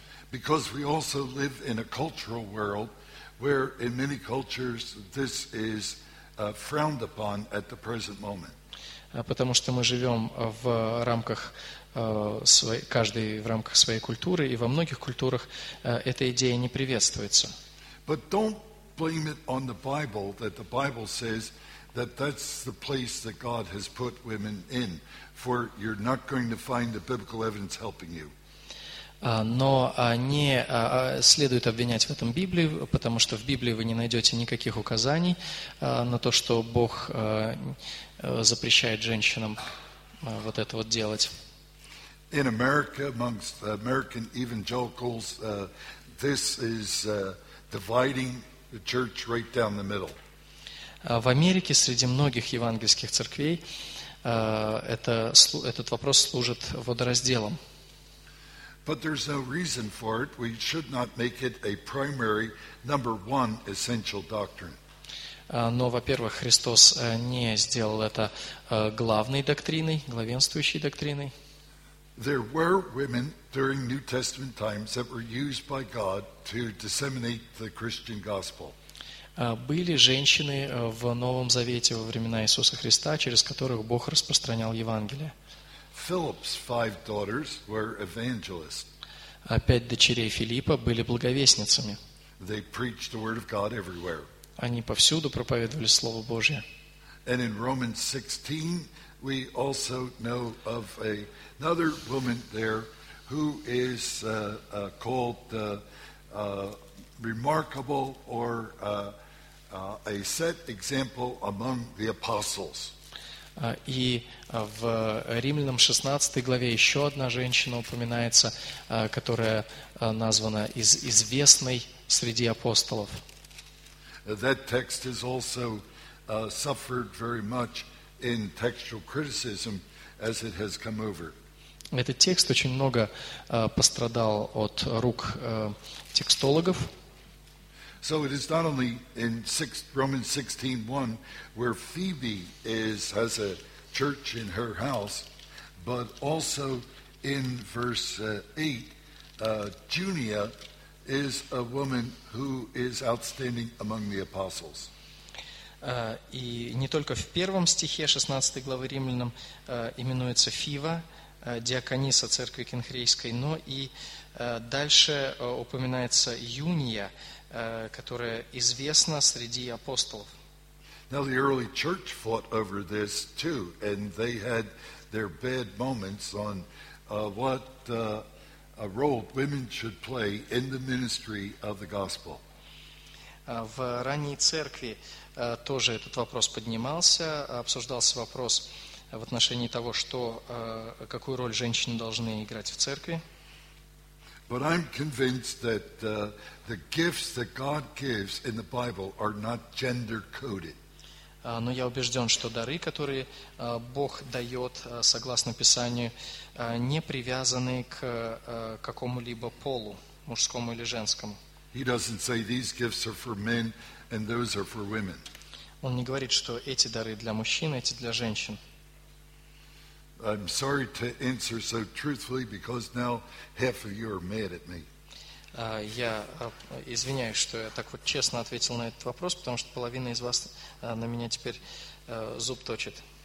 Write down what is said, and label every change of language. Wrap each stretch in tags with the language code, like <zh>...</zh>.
<en>Because we also live in a cultural world where in many cultures this is frowned upon at the present moment.</en> <ru>Потому что мы живем в рамках каждой в рамках своей культуры, и во многих культурах эта идея не приветствуется.</ru> <en>But don't blame it on the Bible, that the Bible says that that's the place that God has put women in, for you're not going to find the biblical evidence helping you.</en> <ru>Но не следует обвинять в этом Библию, потому что в Библии вы не найдете никаких указаний на то, что Бог запрещает женщинам вот это вот делать.</ru> <en>In America, amongst American evangelicals, this is dividing the church right down the middle.</en> <ru>В Америке среди многих евангельских церквей этот вопрос служит водоразделом.</ru> <en>But there's no reason for it. We should not make it a primary number one essential doctrine.</en> <ru>Но, во-первых, Христос не сделал это главной доктриной, главенствующей доктриной.</ru> <en>There were women during New Testament times that were used by God to disseminate the Christian gospel.</en> <ru>Были женщины в Новом Завете во времена Иисуса Христа, через которых Бог распространял Евангелие.</ru> <en>Philip's five daughters were evangelists.</en> <ru>Пять дочерей Филиппа были благовестницами.</ru> <en>They preached the word of God everywhere.</en> <ru>Они повсюду проповедовали Слово Божье.</ru> <en>And in Romans 16, we also know of another woman there who is called remarkable or a set example among the apostles.</en> <ru>И в Римлянам 16 главе еще одна женщина упоминается, которая названа известной среди апостолов.</ru> <en>That text has also suffered very much in textual criticism as it has come over.</en> <ru>Этот текст очень много пострадал от рук текстологов.</ru> <en>So it is not only in Romans 16:1 where Phoebe has a church in her house, but also in verse 8, Junia is a woman who is outstanding among the apostles.</en> <ru>И не только в первом стихе 16 главы Римлянам именуется Фива, диакониса церкви Кенхрейской, но и дальше упоминается Юния, которая известна среди апостолов.</ru> <en>Now the early church fought over this too, and they had their bad moments on what a role women should play in the ministry of the gospel.</en> <ru>В ранней церкви тоже этот вопрос поднимался, обсуждался вопрос в отношении того, что, какую роль женщины должны играть в церкви.</ru> <en>But I'm convinced that the gifts that God gives in the Bible are not gender-coded.</en> <ru>Но я убежден, что дары, которые Бог дает, согласно Писанию, не привязаны к какому-либо полу, мужскому или женскому.</ru> <en>He doesn't say these gifts are for men and those are for women.</en> <ru>Он не говорит, что эти дары для мужчин, эти для женщин.</ru> <en>I'm sorry to answer so truthfully because now half of you are mad at me.</en> <ru>Я извиняюсь, что я так вот честно ответил на этот вопрос, потому что половина из вас на меня теперь зуб точит.</ru>